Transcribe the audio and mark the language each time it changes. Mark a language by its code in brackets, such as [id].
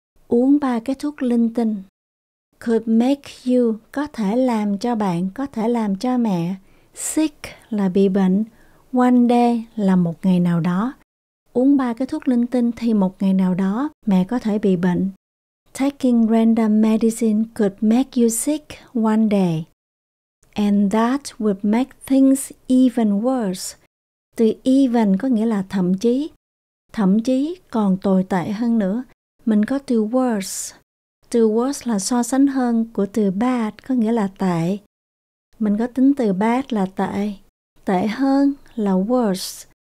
[vi] Uống ba cái thuốc linh tinh. [en] Could make you, [vi] có thể làm cho bạn, có thể làm cho mẹ. Sick là bị bệnh. One day là một ngày nào đó. Uống ba cái thuốc linh tinh thì một ngày nào đó mẹ có thể bị bệnh. [en] Taking random medicine could make you sick one day. And that would make things even worse. [vi] Từ even có nghĩa là thậm chí. Thậm chí còn tồi tệ hơn nữa. Mình có từ worse. Từ worse là so sánh hơn của từ bad, có nghĩa là tệ. Mình có tính từ bad là tệ. Tệ hơn là worse.